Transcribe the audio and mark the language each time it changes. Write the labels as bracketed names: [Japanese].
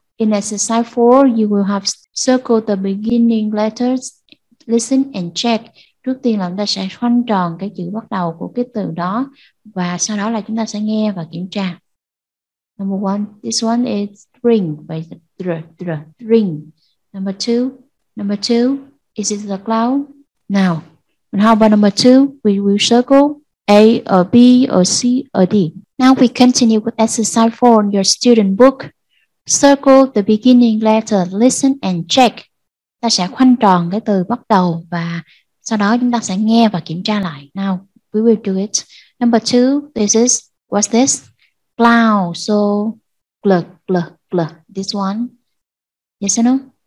[English] In exercise 4, you will have circled the beginning letters. Listen and check. [Vietnamese] Trước tiên là chúng ta sẽ khoanh tròn cái chữ bắt đầu của cái từ đó. Và sau đó là chúng ta sẽ nghe và kiểm tra. [English] Number one, this one is drink. [Vietnamese] Vậy [English] drink. Number two, is it the cloud? Now, and how about number two? We will circle A or B or C or D. Now we continue with exercise four in your student book. Circle the beginning letter, listen and check. [Vietnamese] Ta sẽ khoanh tròn cái từ bắt đầu và sau đó chúng ta sẽ nghe và kiểm tra lại. [English] Now, we will do it. Number two, this is, what's this? Cloud, so gl, this one. Yes or no?